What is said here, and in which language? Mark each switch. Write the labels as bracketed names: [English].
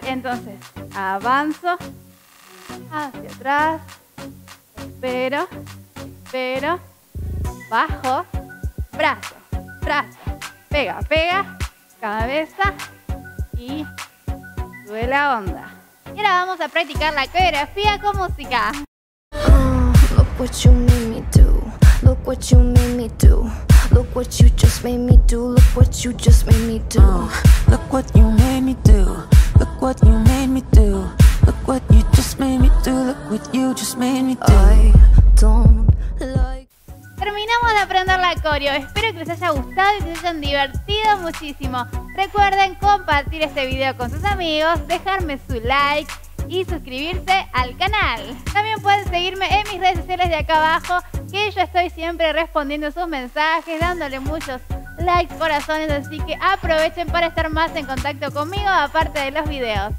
[Spanish] Entonces, avanzo, hacia atrás, espero, espero, bajo, brazo, brazo, pega, pega, cabeza y sube la onda. Y ahora vamos a practicar la coreografía con música. [English] Look what you made me do, look what you made me do. Look what you just made me do, look what you just made me do. Look what you made me do, look what you made me do. Look what you just made me do, look what you just made me do. I don't like. [Spanish] Terminamos de aprender la coreo. Espero que les haya gustado y que se hayan divertido muchísimo. Recuerden compartir este video con sus amigos, dejarme su like y suscribirse al canal. También pueden seguirme en mis redes sociales de acá abajo, que yo estoy siempre respondiendo sus mensajes, dándole muchos likes, corazones, así que aprovechen para estar más en contacto conmigo, aparte de los videos.